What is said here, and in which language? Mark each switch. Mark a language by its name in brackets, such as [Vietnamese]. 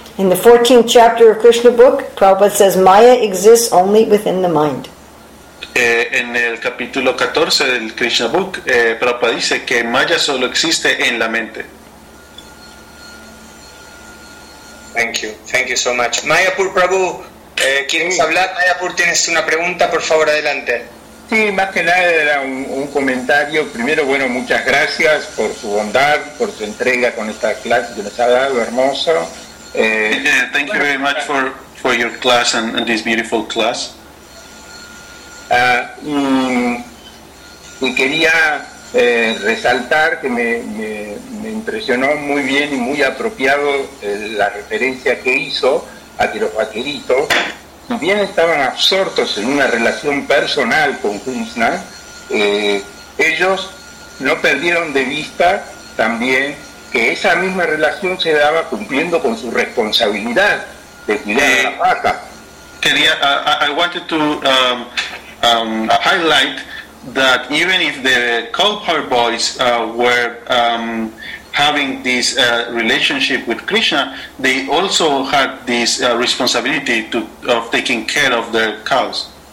[English] In the 14th chapter of Krishna book, Prabhupada says Maya exists only within the mind. [Spanish] En el capítulo 14 del Krishna book, Prabhupada dice que Maya solo existe en la mente. [English] Thank you so much. Mayapur Prabhu, [Spanish] ¿quieres hablar? Mayapur, tienes una pregunta, por favor, adelante. Sí, más que nada era un comentario. Primero, bueno, muchas gracias por su bondad, por su entrega con esta clase que nos ha dado, hermoso. [English] Thank you very much for your class and this beautiful class. [Spanish] Y quería resaltar que me impresionó muy bien y muy apropiado la referencia que hizo a que los vaqueritos, si bien estaban absortos en una relación personal con Krishna, ellos no perdieron de vista también que esa misma relación se daba cumpliendo con su responsabilidad de cuidar a la vaca. [English] I wanted to highlight that even if the cowherd boys were having this relationship with Krishna, they also had this responsibility of taking care of their cows.